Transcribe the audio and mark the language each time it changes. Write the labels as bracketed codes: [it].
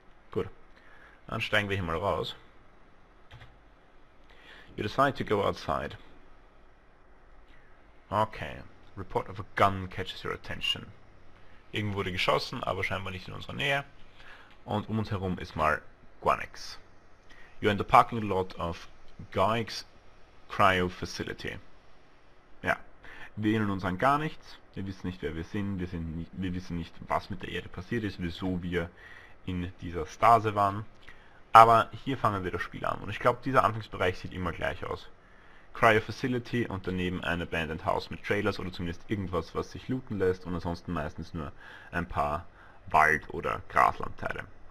[de] Gut. Dann steigen wir hier mal raus. [en] You decide to go outside. Okay. Report of a gun catches your attention. [de] Irgendwo wurde geschossen, aber scheinbar nicht in unserer Nähe. Und um uns herum ist mal Guanex. [en] You're in the parking lot of Geig's Cryo Facility. [de] Ja. Wir erinnern uns an gar nichts. Wir wissen nicht, wer wir sind. Wir wissen nicht, was mit der Erde passiert ist, wieso wir in dieser Stase waren. Aber hier fangen wir das Spiel an. Und ich glaube, dieser Anfangsbereich sieht immer gleich aus. Cryo Facility und daneben ein Abandoned House mit Trailers oder zumindest irgendwas, was sich looten lässt und ansonsten meistens nur ein paar Wald- oder Graslandteile.